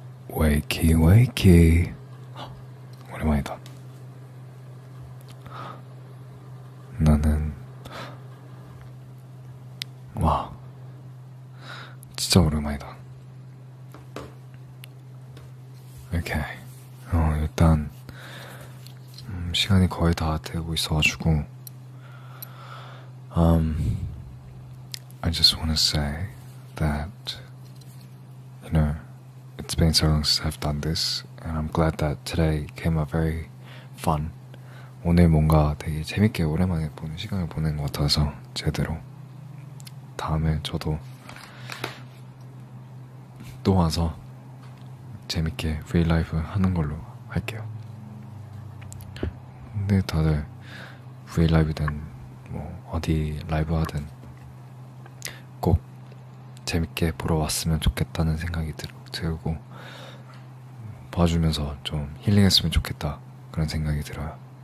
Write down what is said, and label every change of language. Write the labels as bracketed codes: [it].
[en] Wakey, wakey. [ko] 오랜만이다. 나는 와 진짜 오랜만이다. 오케이. 일단 시간이 거의 다 되고 있어가지고 [en] I just want to say that, you know, it's been so long since I've done this, and I'm glad that today came out very fun. [ko] 오늘 뭔가 되게 재밌게 오랜만에 보는 시간을 보낸 것 같아서 제대로 다음에 저도 또 와서 재밌게 free life 하는 걸로 할게요. 근데 다들 free life이든 뭐 어디 라이브 하든 재밌게 보러 왔으면 좋겠다는 생각이 들고 봐주면서 좀 힐링했으면 좋겠다 그런 생각이 들어요.